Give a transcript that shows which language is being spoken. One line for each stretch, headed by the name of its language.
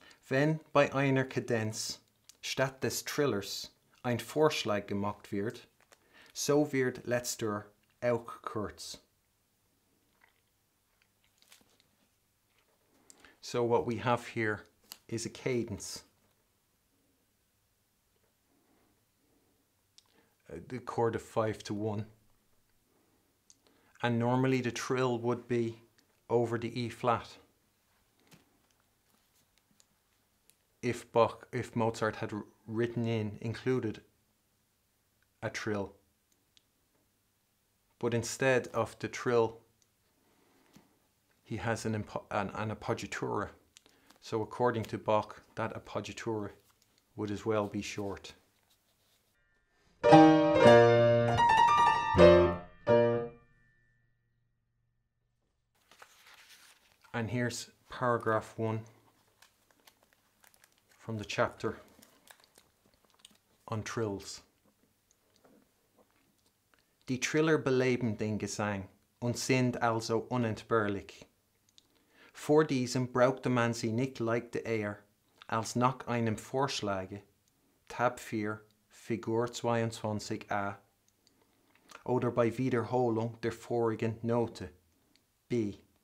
German: Wenn bei einer Kadenz statt des Trillers ein Vorschlag gemacht wird, so wird letzter auch kurz.
English: So what we have here is a cadence. The chord of 5-1. And normally the trill would be over the E flat. If Mozart had included a trill. But instead of the trill, he has an appoggiatura. So according to Bach, that appoggiatura would as well be short. And here's paragraph 1 from the chapter on trills.
German: Die Triller beleben den Gesang und sind also unentbehrlich. Vor diesem brauchte man sie nicht leicht eher, als nach einem Vorschlage, Tab 4, Figur 22a, oder bei Wiederholung der vorigen Note, B.